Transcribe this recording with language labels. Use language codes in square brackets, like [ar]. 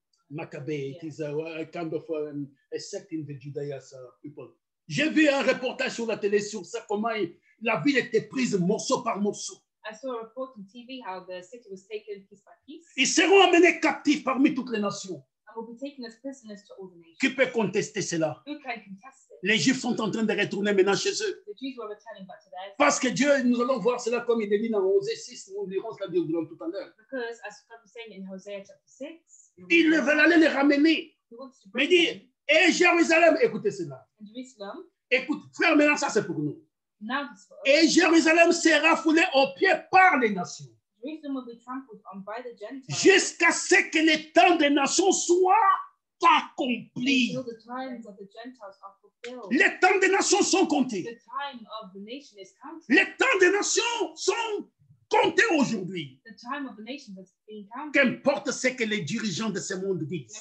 [en] Maccabées, it is a kind of a sect in the Judaïa people. [fr] J'ai vu un reportage sur la télé sur ça, comment la ville était prise morceau par morceau. [en] I saw a report on TV how the city was taken piece by piece. [fr] Ils seront amenés captifs parmi toutes les nations. [en] Will be taken as prisoners to all the nations. [fr] Qui peut contester cela? [en] Who can contest it? [fr] Les Juifs sont en train de retourner maintenant chez eux. [en] The Jews were returning back to their place. [fr] Parce que Dieu, nous allons voir cela comme il est dit dans Hosea 6, nous lirons cela tout à l'heure. [en] Because, as God was saying in Hosea chapter 6, [fr] ils veulent aller les ramener. Mais dit, et Jérusalem, écoutez cela. [en] Jerusalem. [fr] Écoute, frère, maintenant ça c'est pour nous. [en] Now this for us. [fr] Et Jérusalem sera foulée aux pieds par les nations. [en] Jerusalem will be trampled on by the Gentiles. [fr] Jusqu'à ce que le temps des nations soit accompli. [en] Until the times of the Gentiles are fulfilled. [fr] Les temps des nations sont comptés. [en] The time of the nation is counted. [fr] Les temps des nations sont comptés aujourd'hui. [en] The time of the nation has been counted. [fr] Qu'importe ce que les dirigeants de ce monde disent.